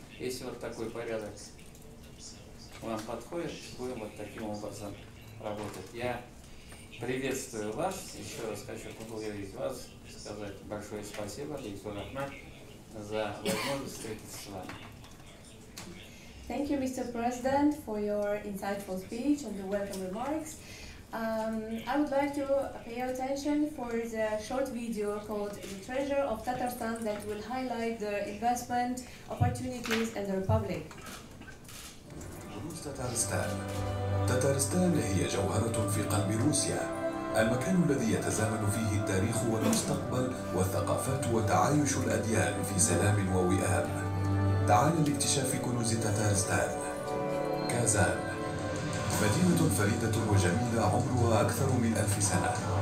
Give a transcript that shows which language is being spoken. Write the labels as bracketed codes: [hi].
[ru] Если вот такой порядок вам подходит, будем вот таким образом работать. Я приветствую вас, еще раз хочу поблагодарить вас, сказать большое спасибо, за возможность встретиться с вами. [en] Thank you, Mr. President, for your insightful speech and the welcome remarks. I would like to pay your attention for the short video called The Treasure of Tatarstan that will highlight the investment opportunities in the Republic. [ar] روس تاتارستان. تاتارستان هي جوهرة في قلب روسيا. المكان الذي يتزامن فيه التاريخ والمستقبل والثقافات وتعايش الأديان في سلام ووئام. تعال لاكتشاف كنوز تاتارستان. كازان مدينة فريدة وجميلة عمرها أكثر من 1000 سنة.